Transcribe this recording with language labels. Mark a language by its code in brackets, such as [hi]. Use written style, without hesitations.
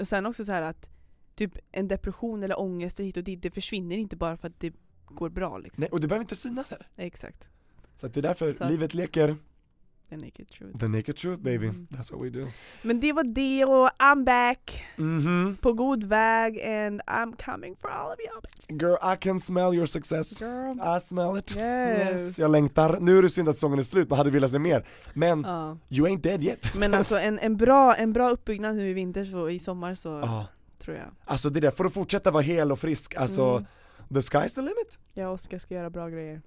[sv] Och sen också så här att typ en depression eller ångest och hit och dit, det försvinner inte bara för att det går bra liksom. Nej, och det behöver inte synas här. Exakt. Så att det är därför livet leker. [en] The naked truth. The naked truth, baby. That's what we do. [sv] Men det var det, och [en] I'm back. Mm-hmm. [sv] På god väg, [en] and I'm coming for all of you. Girl, I can smell your success. Girl. I smell it. Yes. [sv] Jag längtar. Nu är det synd att säsongen är slut. Man hade velat se mer. Men [en] you ain't dead yet. [sv] Men alltså en bra uppbyggnad nu i vinter och i sommar så tror jag. Alltså det där, för att fortsätta vara hel och frisk. Alltså [en] the sky's the limit. [sv] Ja, Oskar ska göra bra grejer.